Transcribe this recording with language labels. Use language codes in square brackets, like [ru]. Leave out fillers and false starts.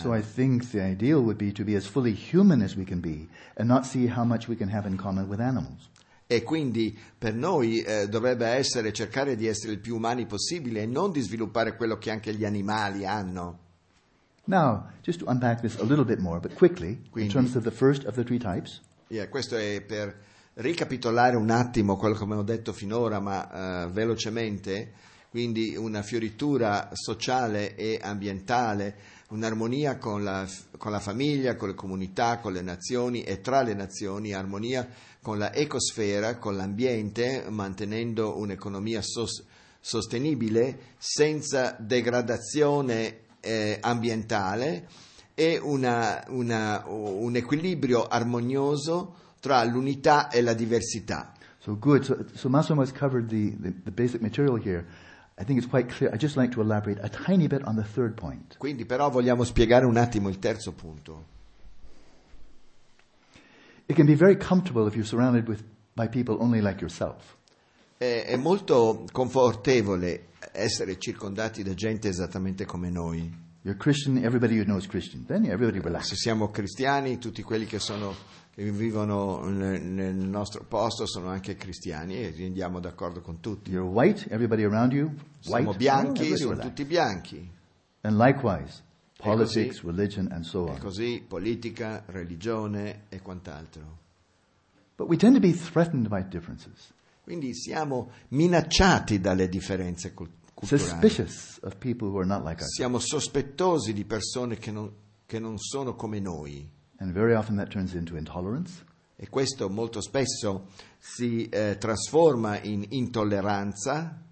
[en] So I think the ideal would be to be as fully human as we can be and not see how much we can have in common with animals. [it] E quindi per noi dovrebbe essere cercare di essere il più umani possibile e non di sviluppare quello che anche gli animali hanno. [en] Now, just to unpack this a little bit more, but quickly, quindi, in terms of the first of the three types. [it] Yeah, questo è per ricapitolare un attimo quello che ho detto finora, ma velocemente. Quindi una fioritura sociale e ambientale, un'armonia con la famiglia, con le comunità, con le nazioni e tra le nazioni, armonia con la ecosfera, con l'ambiente, mantenendo un'economia sostenibile senza degradazione ambientale e un equilibrio armonioso tra l'unità e la diversità. [en] So good. So Massimo has covered the basic material here. I think it's quite clear. I'd just like to elaborate a tiny bit on the third point. [it] Quindi però vogliamo spiegare un attimo il terzo punto. [en] It can be very comfortable if you're surrounded by people only like yourself. [it] È molto confortevole essere circondati da gente esattamente come noi. [en] You're Christian, everybody you know is Christian. Then everybody relax. [it] Se siamo cristiani, tutti quelli che vivono nel nostro posto sono anche cristiani e andiamo d'accordo con tutti. [en] You're white, everybody around you, white. [it] Siamo bianchi, sono tutti bianchi. [en] And likewise, politics, religion and so on. [it] E così, politica, religione e quant'altro. [en] But we tend to be threatened by differences. [it] Quindi siamo minacciati dalle differenze culturali. [en] Suspicious of people who are not like us. [it] Siamo sospettosi di persone che non sono come noi. [en] And very often that turns into intolerance. [it] E questo molto spesso si trasforma in intolleranza.